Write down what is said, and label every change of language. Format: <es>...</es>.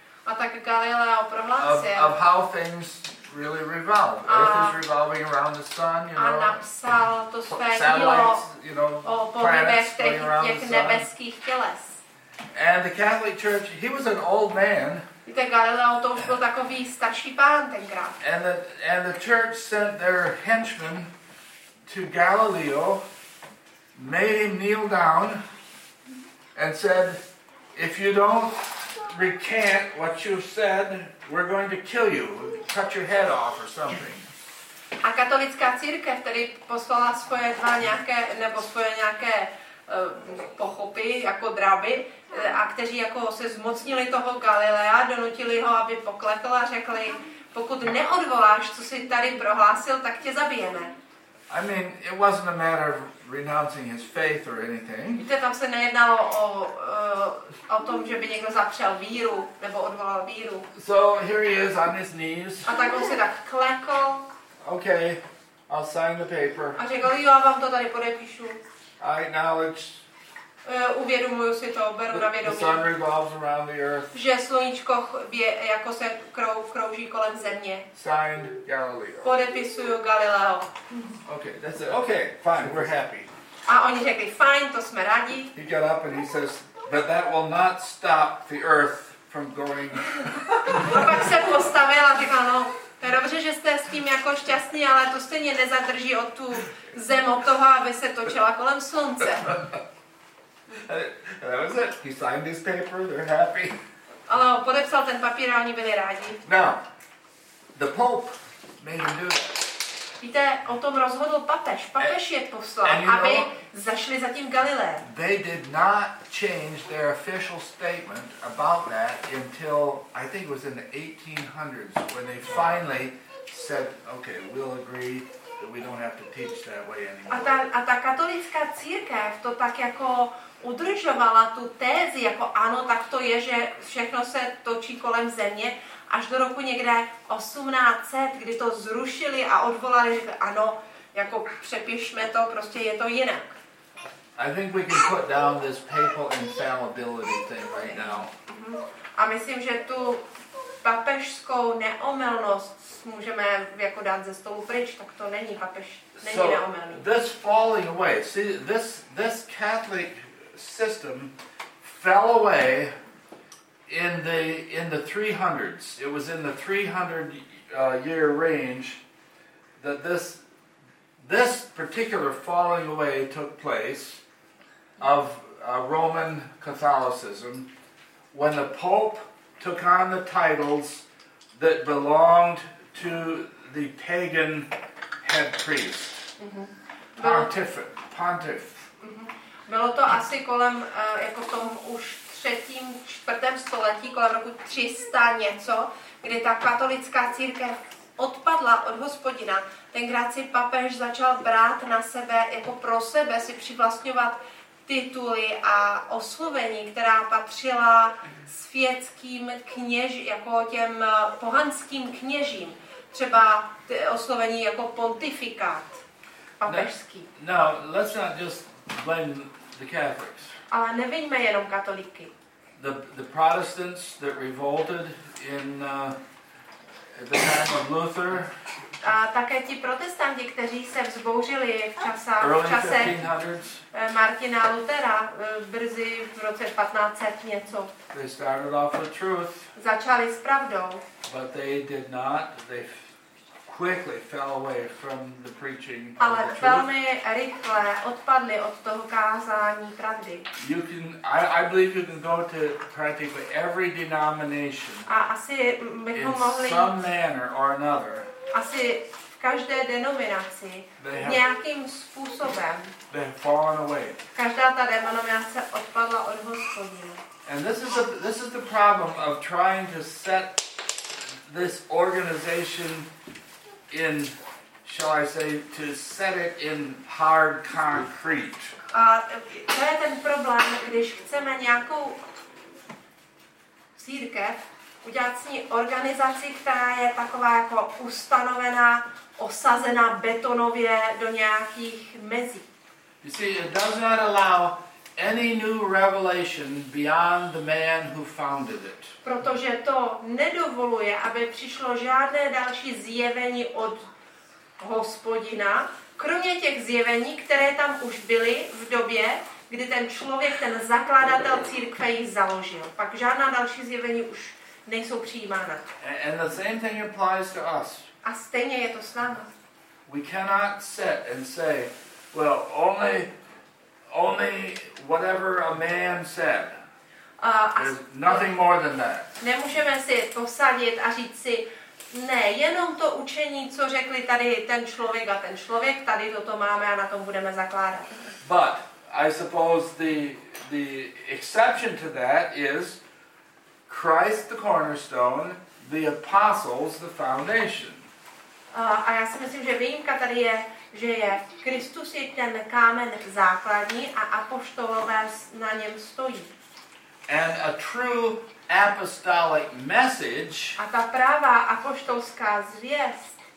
<cs>a tak Galileo</cs> <en>of how things really revolve. Earth is revolving around the sun, you know.</en> <cs>A napsal to své</cs> <en>satellites, you know,</en> <cs>o</cs> <en>planets going around</en> <cs>těch nebeských těles.</cs> <en>And the Catholic Church, he was an old man.</en> <cs>Víte, Galileo to už byl takový starší pán tenkrát.</cs> <en>And the church sent their henchmen to Galileo, made him kneel down, and said, if you don't recant what you've said, we're going to kill you, cut your head off or something.</en> <cs>A katolická církev tedy poslala svoje dva nějaké, nebo svoje nějaké pochopy, jako dráby, a kteří jako se zmocnili toho Galilea, donutili ho, aby poklekl a řekli, Pokud neodvoláš, co jsi tady prohlásil, tak tě zabijeme.</cs> <en>I mean, it wasn't a matter of renouncing his faith or anything.</en> <cs>Víte, tam se nejednalo o tom, že by někdo zapřel víru nebo odvolal víru.</cs> <en>So here he is on his knees.</en> <cs>A tak on se tak klekl.</cs> <en>Okay, I'll sign the paper.</en> <cs>A řekl, jo, já vám to tady podepíšu.</cs> <en>I acknowledge.</en> <cs>Uvědomuju si to, beru na vědomí.</cs> <en>The sun revolves around the earth.</en> <cs>Že sluníčko jako se krouží kolem země.</cs> <en>Signed Galileo.</en> <cs>Podepisuju Galileo.</cs> <en>Okay, that's it. Okay, fine, we're happy.</en> <cs>A oni řekli, fine, to jsme rádi.</cs> <en>He got up and he says, but that will not stop the earth from going.</en> <cs>A pak se postavil a řekl, no, dobře, že jste s tím jako šťastný, ale to stejně nezadrží od tu zem od toho, aby se točila kolem slunce.</cs> <en>And that was it. He signed his paper. They're happy.</en> <cs>Ale podepsal ten papír a oni byli rádi.</cs> <en>Now, the Pope made him do that.</en> <cs>Víte, o tom rozhodl papež. Papež je poslal, aby zašli za tím Galileem.</cs> <en>They did not change their official statement about that until, I think it was in the 1800s, when they finally said, okay, we'll agree. We don't have to teach that way anymore.</en> <cs>A ta katolická církev to tak jako udržovala tu tézi, jako ano, tak to je, že všechno se točí kolem země, až do roku někde 1800, kdy to zrušili a odvolali, že ano, jako přepišme to, prostě je to jinak.</cs> <en>I think we can put down this papal infallibility thing right now.</en> <cs>A myslím, že tu papežskou neomylnost můžeme jako dát ze stolu pryč, tak to není papež, není neomylný.</cs> <en>So this falling away, see, this Catholic system fell away in the 300s. It was in the 300 year range that this particular falling away took place of Roman Catholicism when the Pope took on the titles that belonged to the pagan head priest, pontiff.</en> <cs>Bylo to asi kolem, jako v tom už třetím, čtvrtém století, kolem roku 300 něco, kdy ta katolická církev odpadla od Hospodina. Tenkrát si papež začal brát na sebe, jako pro sebe si přivlastňovat tituly a oslovení, která patřila světským kněžím, jako těm pohanským kněžím. Třeba oslovení jako pontifikát papežský.</cs> <en>Now, let's not just blame the Catholics.</en> <cs>Ale neviňme jenom katolíky.</cs> <en>The Protestants that revolted in the time of Luther.</en> <cs>A také ti protestanti, kteří se vzbouřili v čase</cs> <en>1500s.</en> <cs>Martina Lutera brzy v roce 1500 něco.</cs> <en>They started off with truth.</en> <cs>Začali s pravdou.</cs> <en>But they did not. They quickly fell away from the preaching.</en> <cs>Ale velmi rychle odpadli od toho kázání pravdy.</cs> <en>You can, I believe you can go to practically every denomination.</en> <cs>A asi bychom mohli.</cs> <en>In some manner or another.</en> <cs>Asi v každé denominaci nějakým způsobem.</cs> <en>They have fallen away.</en> <cs>Každá ta denominace odpadla od Hospodina.</cs> <en>And this is the problem of trying to set this organization in, shall I say, to set it in hard concrete.</en> <cs>A to je ten problém, když chceme nějakou církev udělat s ní organizaci, která je taková jako ustanovená, osazená betonově do nějakých mezí.</cs> <en>You see, it does not allow any new revelation beyond the man who founded it.</en> <cs>Protože to nedovoluje, aby přišlo žádné další zjevení od Hospodina, kromě těch zjevení, které tam už byly v době, kdy ten člověk, ten zakladatel církve ji založil. Pak žádná další zjevení už nejsou přijímána.</cs> <en>And the same thing applies to us.</en> <cs>A stejně je to s námi.</cs> <en>We cannot sit and say, well, only whatever a man said. There's nothing more than that.</en> <cs>Nemůžeme si posadit a říct si, ne, jenom to učení, co řekli tady ten člověk, tady toto máme a na tom budeme zakládat.</cs> <en>But I suppose the exception to that is Christ the cornerstone, the apostles the foundation.</en> <cs>A já si myslím, že výjimka tady je, že je Kristus je ten kámen základní a apoštolové na něm stojí.</cs> <en>And a true apostolic message.</en> <cs>A ta pravá apoštolská zvěst.</cs>